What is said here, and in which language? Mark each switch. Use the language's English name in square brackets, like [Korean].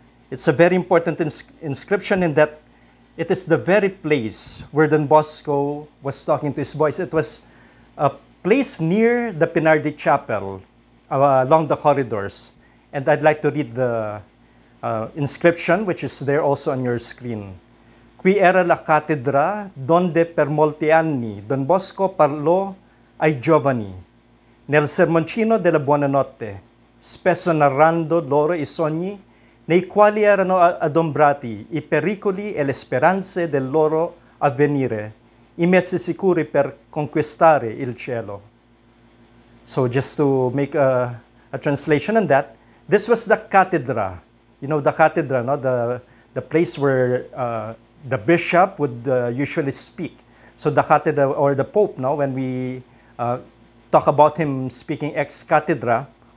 [English] It's a very important inscription in that it is the very place where Don Bosco was talking to his boys. It was a place near the Pinardi Chapel, along the corridors. And I'd like to read the inscription, which is there also on your screen. [Italian] Qui era la cattedra donde per molti anni Don Bosco parlò ai giovani nel sermoncino della Buonanotte, spesso narrando loro i sogni nei quali erano adombrati i pericoli e le speranze del loro avvenire, i mezzi sicuri per conquistare il cielo. [English] So just to make a translation on that, this was the cathedra. You know the cathedra, no? The place where the bishop would usually speak. So the cathedra, or the pope, no? When we talk about him speaking ex cathedra.